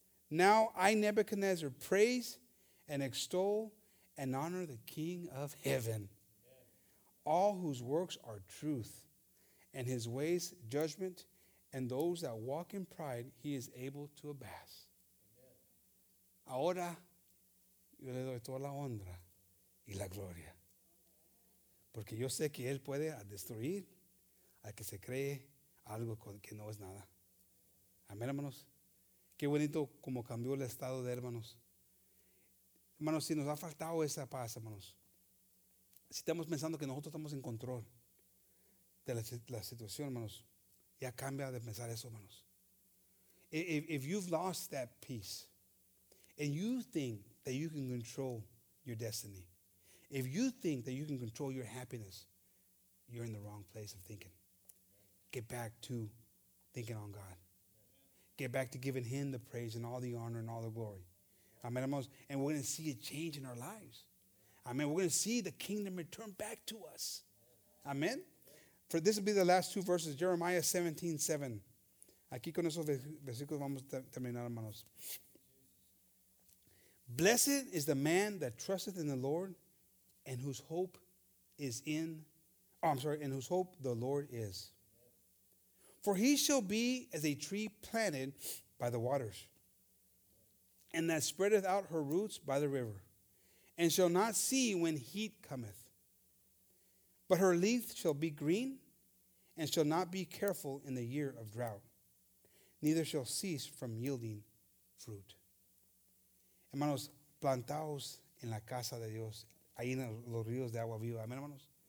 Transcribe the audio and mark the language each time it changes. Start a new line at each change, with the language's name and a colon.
English: Now I, Nebuchadnezzar, praise and extol and honor the King of heaven, all whose works are truth, and his ways judgment, and those that walk in pride he is able to abash.
Spanish: Ahora yo le doy toda la honra y la gloria. Porque yo sé que él puede destruir al que se cree algo que no es nada. Amén, hermanos. Qué bonito como cambió el estado de hermanos. Hermanos, si nos ha faltado esa paz, hermanos. Si estamos pensando que nosotros estamos en control de la situación, hermanos. Ya cambia de pensar eso, hermanos.
English: If you've lost that peace and you think that you can control your destiny, if you think that you can control your happiness, you're in the wrong place of thinking. Get back to thinking on God. Get back to giving him the praise and all the honor and all the glory. Amen. And we're going to see a change in our lives. Amen. We're going to see the kingdom return back to us. Amen. For this will be the last two verses, Jeremiah 17:7.
Spanish: Aquí con esos versículos vamos a terminar, hermanos.
English: Blessed is the man that trusteth in the Lord, and whose hope is in, oh, I'm sorry, and whose hope the Lord is. For he shall be as a tree planted by the waters, and that spreadeth out her roots by the river, and shall not see when heat cometh. But her leaf shall be green, and shall not be careful in the year of drought, neither shall cease from yielding fruit.
Spanish: Hermanos, plantaos en la casa de Dios, ahí en los ríos de agua viva. Amén, hermanos.